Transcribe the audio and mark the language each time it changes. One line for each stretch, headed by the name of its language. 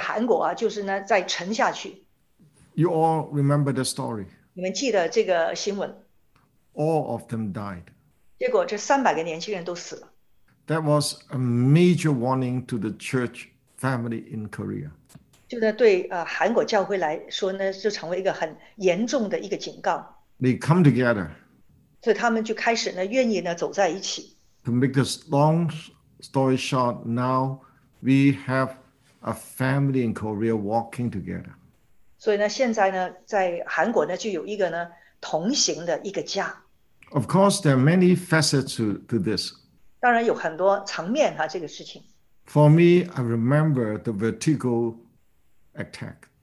Chinese: 看见那一个承载那300个年轻人的一个船，在韩国啊，就是呢在沉下去。 You
English: all remember the story.
Chinese: 你们记得这个新闻。
English: All of them died.
Chinese: 结果这300个年轻人都死了。 That
English: was a major warning to the church family in Korea.
Chinese: 就呢对韩国教会来说呢，就成为一个很严重的一个警告。 They
English: come together.
Chinese: 所以他们就开始呢愿意呢走在一起。
English: To make this long story short, now we have a family in Korea walking together.
Chinese: 所以呢，现在呢，在韩国呢，就有一个呢同行的一个家。 Of
English: course, there are many facets to this.
Chinese: 当然有很多层面啊，这个事情。 For
English: me, I remember the vertigo attack.